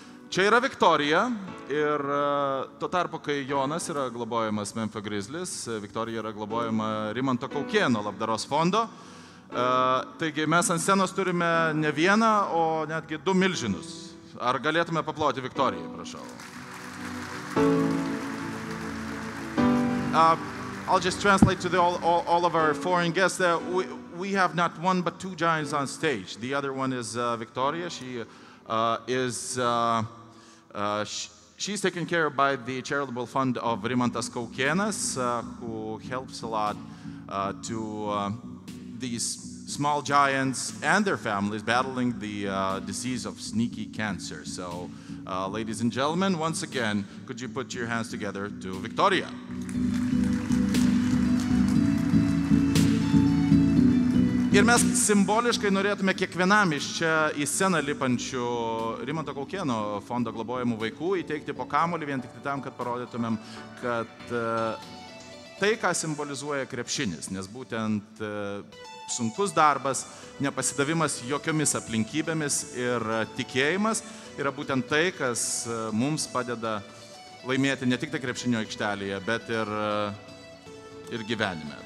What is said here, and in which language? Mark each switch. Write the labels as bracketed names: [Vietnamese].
[Lithuanian] Čia yra Viktorija ir tuo tarpu, kai Jonas yra globojamas Memphis Grizzlies, Viktorija yra globojama Rimanto Kaukėno labdaros fondo. Taigi mes ant scenos turime ne vieną, o netgi du milžinus. Ar galėtume paploti Viktorijai, prašau? [English] I'll just translate to the all of our foreign guests that we have not one but two giants on stage. The other one is Viktorija. She is she's taken care of by the charitable fund of Rimantas Kaukėnas, who helps a lot to these small giants and their families battling the disease of sneaky cancer. So, ladies and gentlemen, once again, could you put your hands together to Viktorija? [Lithuanian] Ir mes simboliškai norėtume kiekvienam iš čia į sceną lipančių Rimanto Kaukėno fondo globojamų vaikų įteikti po kamuolį vien tik tam, kad parodytumėm, kad tai, ką simbolizuoja krepšinis, nes būtent sunkus darbas, nepasidavimas jokiomis aplinkybėmis ir tikėjimas yra būtent tai, kas mums padeda laimėti ne tik tai krepšinio aikštelėje, bet ir gyvenime.